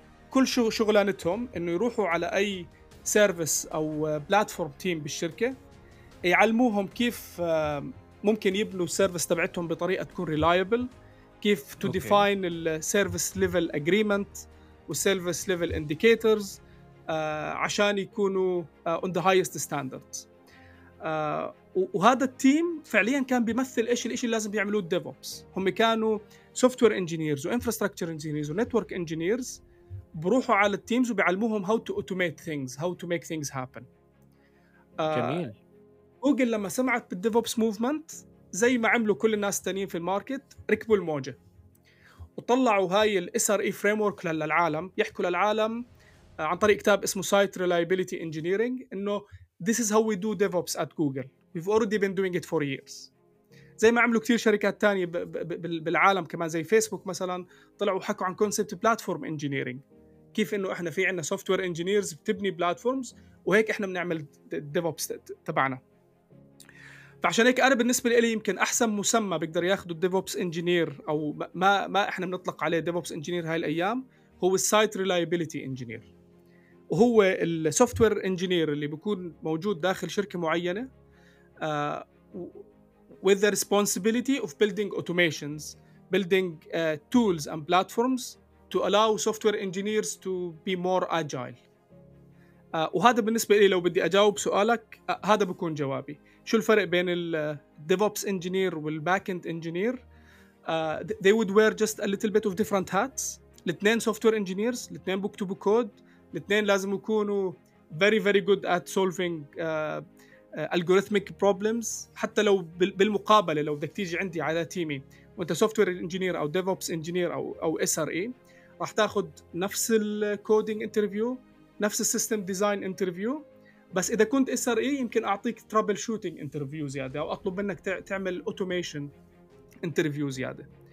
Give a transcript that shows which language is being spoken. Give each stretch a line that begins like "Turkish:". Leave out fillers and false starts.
Arabic: كل شغلانتهم انه يروحوا على اي سيرفيس او بلاتفورم تيم بالشركة يعلموهم كيف ممكن يبنوا السيرفيس تبعتهم بطريقة تكون ريلايبل، كيف تو ديفاين السيرفيس ليفل اجريمنت والسيرفيس ليفل انديكيتورز عشان يكونوا
English: اون ذا هايست ستاندردز.
Arabic: وهذا التيم فعليا كان بيمثل ايش الاشي اللي لازم يعملوه الديفوبس. هم كانوا سوفت وير انجينيرز وانفراستراكشر انجينيرز ونتورك انجينيرز بروحوا على التيمز وبيعلموهم
English: how to automate things, how to make things happen.
Arabic: جميل. جوجل لما سمعت بالديفوبس موفمنت زي ما عملوا كل الناس التانيين في الماركت ركبوا الموجة وطلعوا هاي الـ SRE framework للعالم, يحكوا للعالم عن طريق كتاب اسمه Site Reliability Engineering انه
English: this is how we do DevOps at Google, we've already been doing it for years.
Arabic: زي ما عملوا كتير شركات تانية بالعالم كمان زي فيسبوك مثلا, طلعوا وحكوا عن concept platform engineering, كيف انه احنا في عنا software engineers بتبني platforms وهيك احنا بنعمل DevOps تبعنا. فعشان هيك أنا بالنسبة لي يمكن أحسن مسمى بيقدر ياخده DevOps Engineer أو ما إحنا بنطلق عليه DevOps Engineer هاي الأيام هو Site Reliability Engineer, وهو الـ Software Engineer اللي بيكون موجود داخل شركة معينة
English: with the responsibility of building automations, building tools and platforms to allow software engineers to be more agile.
Arabic: وهذا بالنسبة لي لو بدي أجاوب سؤالك هذا بكون جوابي. شو الفرق بين الـ DevOps Engineer والـ Backend Engineer؟
English: They would wear just a little bit of different hats.
Arabic: الاثنين software engineers, الاثنين بكتبوا code, الاثنين لازم يكونوا
English: very very good at solving algorithmic problems.
Arabic: حتى لو بالمقابلة لو بدك تيجي عندي على تيمي وانت software engineer أو DevOps Engineer أو SRE راح تاخد نفس الـ coding interview, نفس الـ system design interview, بس إذا كنت SRE يمكن أعطيك trouble shooting interview زيادة أو أطلب منك تعمل automation interview زيادة.